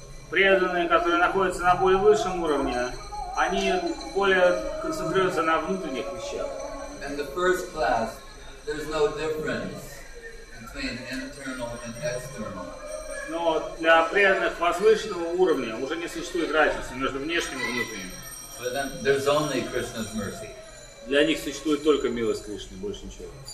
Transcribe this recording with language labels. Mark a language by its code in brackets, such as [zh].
[ru] Преданные, которые находятся на более высшем уровне, они более концентрируются на внутренних вещах. [en] And the first class, there's no difference between internal and external. [ru] Но для преданных возвышенного уровня уже не существует разницы между внешним и внутренним. [en] There's only Krishna's mercy. [ru] Для них существует только милость Кришны, больше ничего.